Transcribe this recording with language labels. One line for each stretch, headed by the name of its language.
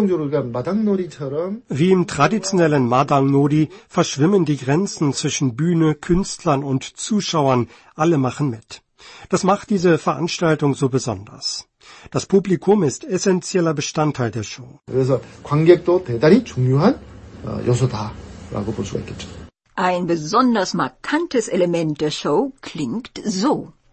German: Wie im traditionellen Madang-Nori verschwimmen die Grenzen zwischen Bühne, Künstlern und Zuschauern. Alle machen mit. Das macht diese Veranstaltung so besonders. Das Publikum ist essentieller Bestandteil der Show.
Korean: 그래서 관객도 대단히 중요한 요소다라고 볼 수가 있겠죠.
German: Ein besonders markantes Element der Show klingt so.